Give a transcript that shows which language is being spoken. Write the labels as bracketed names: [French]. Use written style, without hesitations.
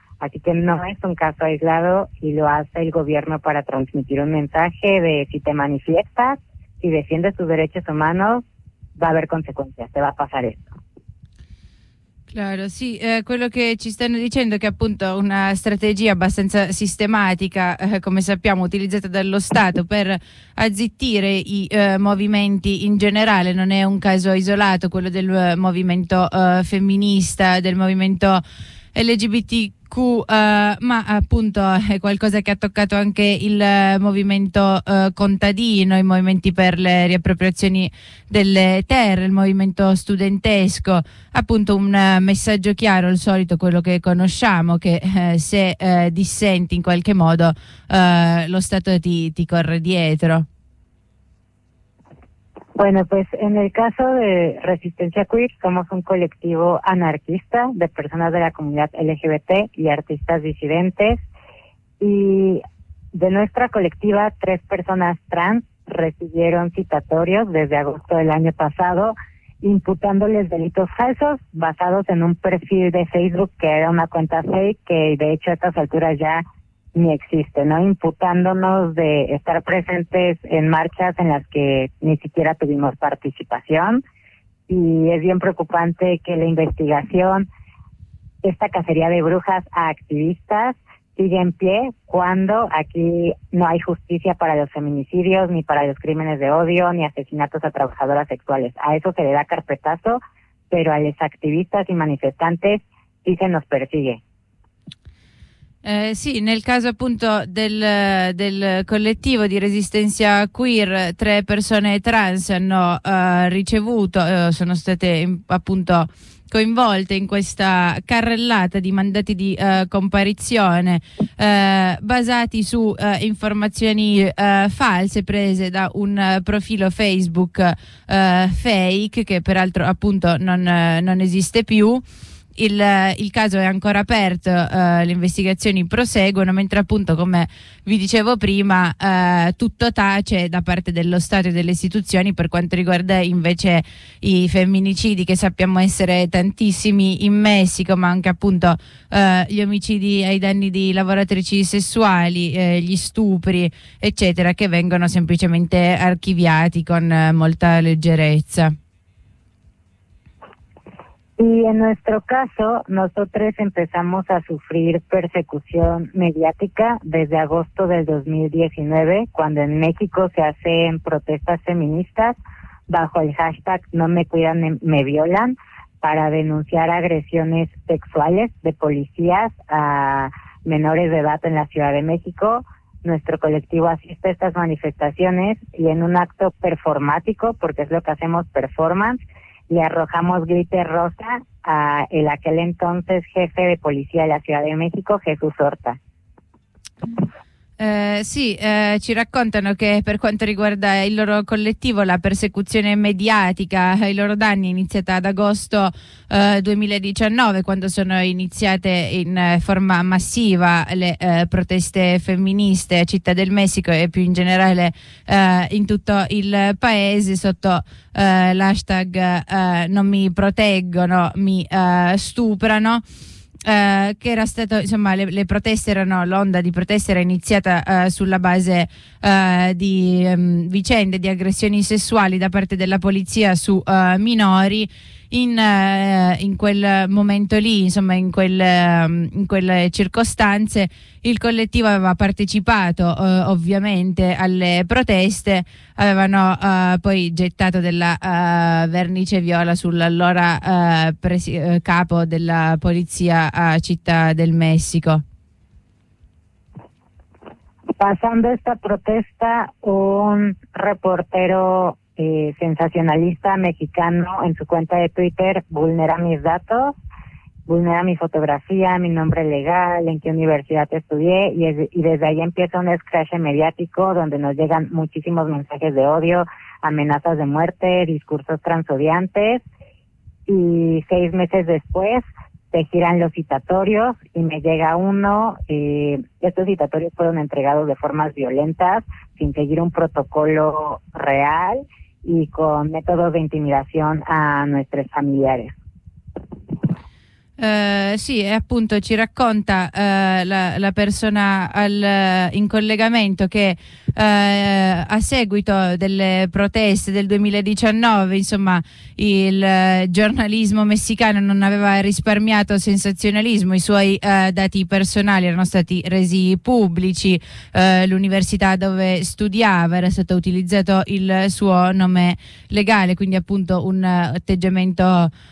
[Spanish] Así que no es un caso aislado y lo hace el gobierno para transmitir un mensaje de si te manifiestas, si defiendes tus derechos humanos, va a haber consecuencias, te va a pasar esto. [Italian] Claro, sì, quello che ci stanno dicendo è che appunto una strategia abbastanza sistematica, come sappiamo, utilizzata dallo Stato per azzittire i movimenti in generale, non è un caso isolato quello del movimento femminista, del movimento LGBTQ, ma appunto è qualcosa che ha toccato anche il movimento contadino, i movimenti per le riappropriazioni delle terre, il movimento studentesco, appunto un messaggio chiaro, il solito, quello che conosciamo, che se dissenti in qualche modo lo Stato ti corre dietro. [Spanish] Bueno, pues en el caso de Resistencia Queer, somos un colectivo anarquista de personas de la comunidad LGBT y artistas disidentes. Y de nuestra colectiva, tres personas trans recibieron citatorios desde agosto del año pasado, imputándoles delitos falsos basados en un perfil de Facebook que era una cuenta fake, que de hecho a estas alturas ya ni existe, ¿no? Imputándonos de estar presentes en marchas en las que ni siquiera tuvimos participación. Y es bien preocupante que la investigación, esta cacería de brujas a activistas, sigue en pie cuando aquí no hay justicia para los feminicidios, ni para los crímenes de odio, ni asesinatos a trabajadoras sexuales. A eso se le da carpetazo, pero a los activistas y manifestantes sí se nos persigue. [Italian] Sì, nel caso appunto del collettivo di Resistencia Queer, tre persone trans hanno ricevuto, sono state appunto coinvolte in questa carrellata di mandati di comparizione basati su informazioni false prese da un profilo Facebook fake, che peraltro appunto non esiste più. Il caso è ancora aperto, le investigazioni proseguono, mentre appunto, come vi dicevo prima, tutto tace da parte dello Stato e delle istituzioni per quanto riguarda invece i femminicidi, che sappiamo essere tantissimi in Messico, ma anche appunto gli omicidi ai danni di lavoratrici sessuali, gli stupri, eccetera, che vengono semplicemente archiviati con molta leggerezza. [Spanish] Y en nuestro caso, nosotros empezamos a sufrir persecución mediática desde agosto del 2019, cuando en México se hacen protestas feministas bajo el hashtag No me cuidan, me violan, para denunciar agresiones sexuales de policías a menores de edad en la Ciudad de México. Nuestro colectivo asiste a estas manifestaciones y en un acto performático, porque es lo que hacemos, performance, y arrojamos glitter rosa a el aquel entonces jefe de policía de la Ciudad de México, Jesús Horta. [Italian] Ci raccontano che per quanto riguarda il loro collettivo, la persecuzione mediatica, i loro danni è iniziata ad agosto 2019, quando sono iniziate in forma massiva le proteste femministe a Città del Messico e più in generale in tutto il paese sotto l'hashtag non mi proteggono, mi stuprano. Che era stato, insomma, le proteste erano, l'onda di proteste era iniziata sulla base di vicende di aggressioni sessuali da parte della polizia su minori in quel momento lì, insomma, in quelle circostanze. Il collettivo aveva partecipato ovviamente alle proteste, avevano poi gettato della vernice viola sull'allora capo della polizia a Città del Messico. Passando questa protesta, [Spanish] un reportero sensacionalista mexicano en su cuenta de Twitter vulnera mis datos, vulnera mi fotografía, mi nombre legal, en qué universidad estudié, y desde ahí empieza un escrache mediático donde nos llegan muchísimos mensajes de odio, amenazas de muerte, discursos transodiantes, y seis meses después se giran los citatorios y me llega uno, y estos citatorios fueron entregados de formas violentas, sin seguir un protocolo real y con métodos de intimidación a nuestros familiares. [Italian] Sì, e appunto ci racconta la persona in collegamento che a seguito delle proteste del 2019, insomma, il giornalismo messicano non aveva risparmiato sensazionalismo, i suoi dati personali erano stati resi pubblici, l'università dove studiava era stato utilizzato il suo nome legale, quindi appunto un atteggiamento